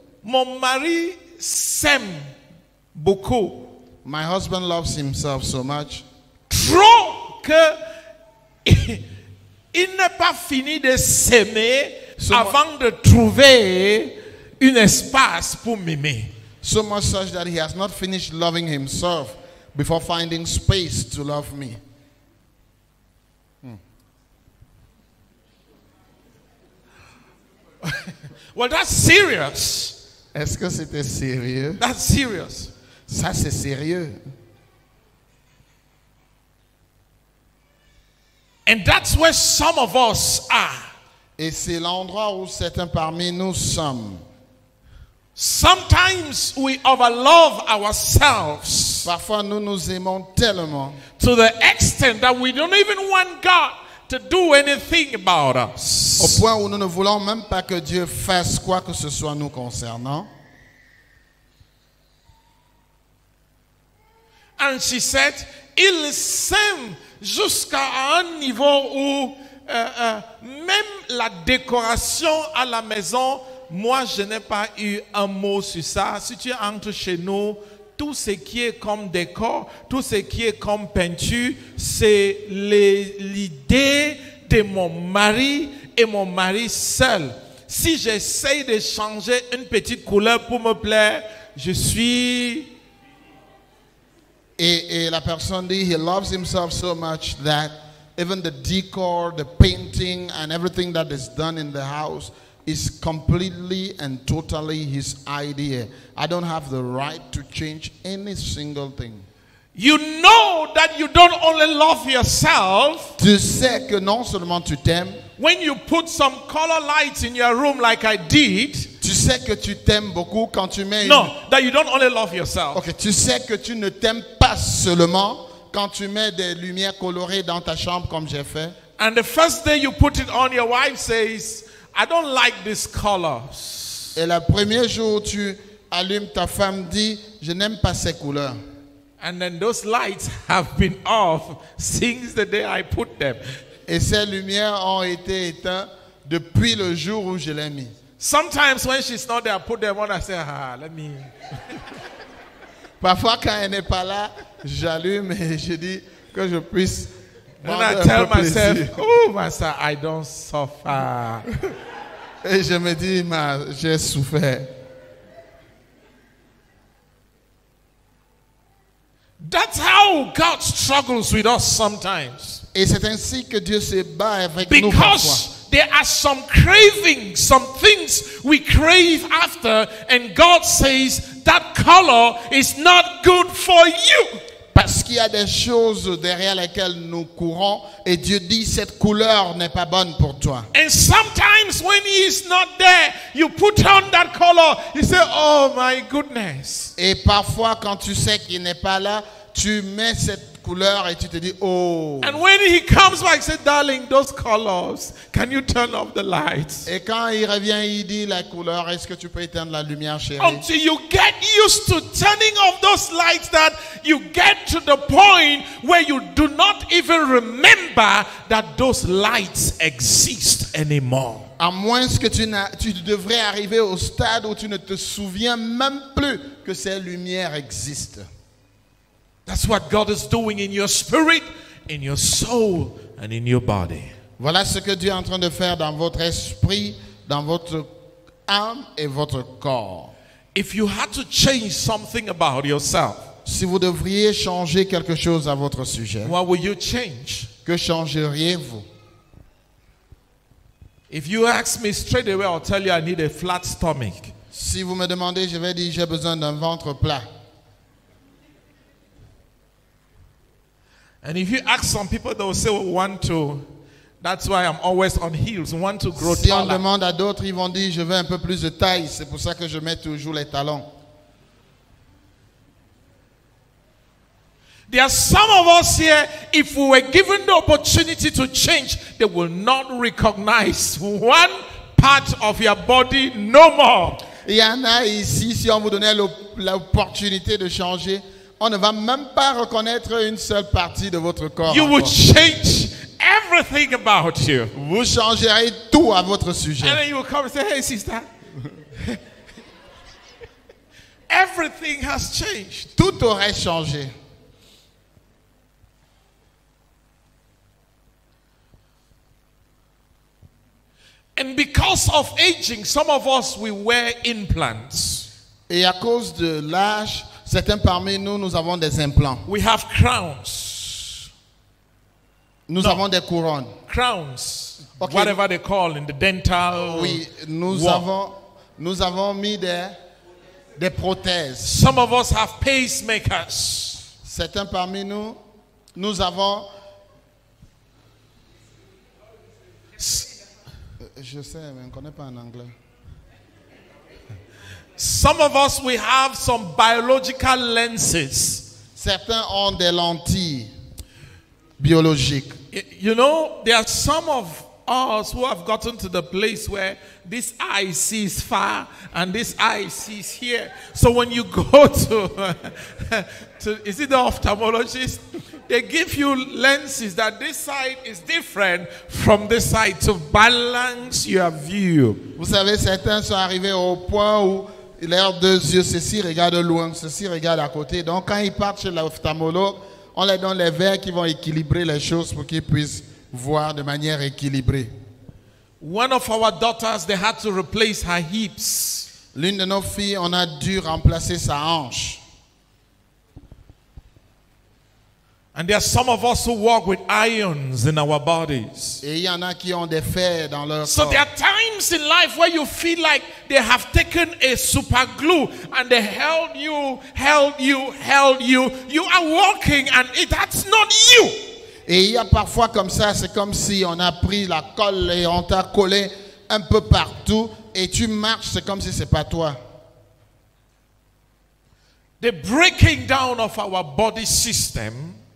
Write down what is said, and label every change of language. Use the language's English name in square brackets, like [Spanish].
[French] Mon mari s'aime beaucoup. [English] My husband loves himself so much. [French] Trop que il n'est pas fini de s'aimer so avant de trouver un espace pour m'aimer. [English] So much such that he has not finished loving himself before finding space to love me. Well, that's serious. [French] Est-ce que c'était sérieux? [English] That's serious. [French] Ça, c'est sérieux. [English] And that's where some of us are. [French] Et c'est l'endroit où certains parmi nous sommes. [English] Sometimes we overlove ourselves. [French] Parfois nous nous aimons tellement. [English] To the extent that we don't even want God to do anything about us. [French] Au point où nous ne voulons même pas que Dieu fasse quoi que ce soit nous concernant. [English] And she said, [French] il s'aime jusqu'à un niveau où même la décoration à la maison. Moi, je n'ai pas eu un mot sur ça. Si tu entres chez nous, tout ce qui est comme décor, tout ce qui est comme peinture, c'est l'idée de mon mari et mon mari seul. Si j'essaye de changer une petite couleur pour me plaire, je suis... Et la personne dit, [English] he loves himself so much that even the decor, the painting and everything that is done in the house is completely and totally his idea. I don't have the right to change any single thing. You know that you don't only love yourself. [French] Tu sais que non seulement tu t'aimes. [English] When you put some color lights in your room like I did. [French] Tu sais que tu t'aimes beaucoup quand tu mets [English] non, that you don't only love yourself. [French] Okay, tu sais que tu ne t'aimes pas seulement quand tu mets des lumières colorées dans ta chambre comme j'ai fait. [English] And the first day you put it on, your wife says, I don't like this color. [French] Et le premier jour tu allumes, ta femme dit, je n'aime pas ces couleurs. [English] And then those lights have been off since the day I put them. [French] Et ces lumières ont été éteintes depuis le jour où je l'ai mis. [English] Sometimes when she's not there, I put them on. I say, ah, let me. [French] Parfois quand elle n'est pas là, j'allume et je dis que je puisse. [English] Then I tell myself, oh, master, I don't suffer. [French] Et je me dis, ma, j'ai souffert. [English] That's how God struggles with us sometimes. [French] Et c'est ainsi que Dieu se bat avec [English] because [French] nous parfois. [English] There are some cravings, some things we crave after, and God says that color is not good for you. [French] Parce qu'il y a des choses derrière lesquelles nous courons, et Dieu dit cette couleur n'est pas bonne pour toi. [English] And sometimes when He is not there, you put on that color. You say, oh my goodness. [French] Et parfois, quand tu sais qu'il n'est pas là, tu mets cette couleur et tu te dis, oh. [English] And when he comes back, he says, darling, those colors, can you turn off the lights? [French] Et quand il revient, il dit, la couleur, est-ce que tu peux éteindre la lumière, chérie? [English] Until you get used to turning off those lights, that you get to the point where you do not even remember that those lights exist anymore. [French] À moins que tu devrais arriver au stade où tu ne te souviens même plus que ces lumières existent. [English] That's what God is doing in your spirit, in your soul, and in your body. [French] Voilà ce que Dieu est en train de faire dans votre esprit, dans votre âme et votre corps. [English] If you had to change something about yourself, [French] si vous devriez changer quelque chose à votre sujet, [English] what would you change? [French] Que changeriez-vous? [English] If you ask me straight away, I'll tell you I need a flat stomach. [French] Si vous me demandez, je vais dire j'ai besoin d'un ventre plat. [English] And if you ask some people, they will say, well, "Want to?" That's why I'm always on heels. Want to grow taller. [French] Si on demande à d'autres, ils vont dire, "Je veux un peu plus de taille." C'est pour ça que je mets toujours les talons. [English] There are some of us here. If we were given the opportunity to change, they will not recognize one part of your body no more. [French] Il y en a ici. Si on vous donnait l'opportunité de changer, on ne va même pas reconnaître une seule partie de votre corps. [English] You will change everything about you. [French] Vous changerez tout à votre sujet. [English] And then you will come and say, hey sister. Everything has changed. [French] Tout aurait changé. [English] And because of aging, some of us we wear implants. [French] Et à cause de l'âge, certains parmi nous, nous avons des implants. [English] We have crowns. [French] Nous avons des couronnes. [English] Crowns, okay. Whatever they call in the dental. [French] Oui, nous avons mis des prothèses. [English] Some of us have pacemakers. [French] Certains parmi nous, nous avons. Je sais, mais je ne connais pas en anglais. [English] Some of us we have some biological lenses. [French] Certains ont des lentilles biologiques. [English] You know, there are some of us who have gotten to the place where this eye sees far and this eye sees here. So when you go to is it the ophthalmologist? They give you lenses that this side is different from this side to balance your view. [French] Vous savez, certains sont arrivés au point où leurs deux yeux, ceci regarde loin, ceci regarde à côté. Donc, quand ils partent chez l'ophtalmologue, on leur donne les verres qui vont équilibrer les choses pour qu'ils puissent voir de manière équilibrée. [English] One of our daughters, they had to replace her hips. [French] L'une de nos filles, on a dû remplacer sa hanche. [English] And there are some of us who walk with irons in our bodies. [French] Et il y en a qui ont des fers dans leur corps. [English] So there are times in life where you feel like they have taken a super glue and they held you. You are walking and that's not you. [French] Et il y a parfois comme ça, c'est comme si on a pris la colle et on t'a collé un peu partout, et tu marches, c'est comme si c'est pas toi. [English] The breaking down of our body system,